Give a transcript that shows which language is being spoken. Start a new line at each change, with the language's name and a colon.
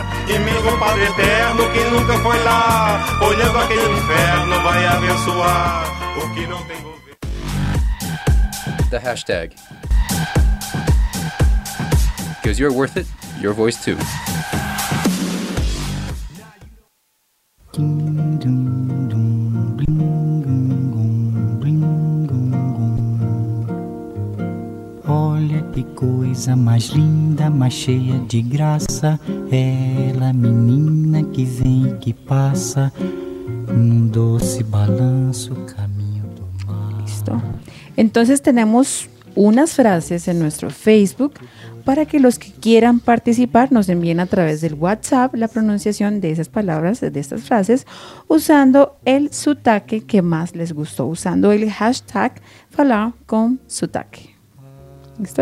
Portuguese: E mesmo Padre Eterno que nunca foi lá, olhando aquele inferno, vai abençoar o que não tem governo.
English: The hashtag. Because you're worth it, your voice too.
Portuguese: Olha que coisa mais linda, mais cheia de graça, ela menina que vem e que passa, num doce balanço, caminho do mar.
Spanish: Listo. Entonces tenemos unas frases en nuestro Facebook para que los que quieran participar nos envíen a través del WhatsApp la pronunciación de esas palabras, de estas frases, usando el sotaque que más les gustó, usando el hashtag falar con sotaque. ¿Listo?